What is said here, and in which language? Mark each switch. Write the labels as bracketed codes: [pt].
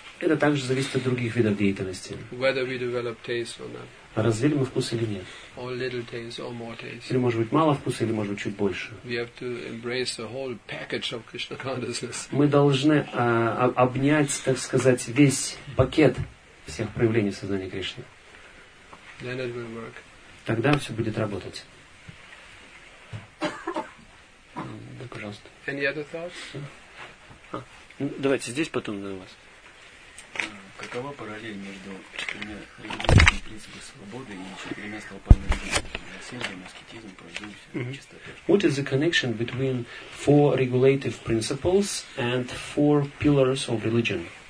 [ru] Это также зависит от других видов деятельности. [en] Whether we develop taste or not. [ru] Развили мы вкус или нет? [en] Or little taste, or more taste. [ru] Или может быть мало вкуса, или может быть чуть больше. [en] We have to embrace the whole package of Krishna consciousness. [ru] Мы должны обнять, так сказать, весь пакет всех проявлений сознания Кришны. [en] Then it will work. [ru] Тогда все будет работать. Да, пожалуйста. [en] Any other thoughts? [ru] Давайте здесь потом на вас. Какова параллель между четырьмя религиозными принципами свободы и четырьмя столпами религии? Аскетизм, праведность, чистота. [en] What is the connection between four regulative principles and four pillars of religion?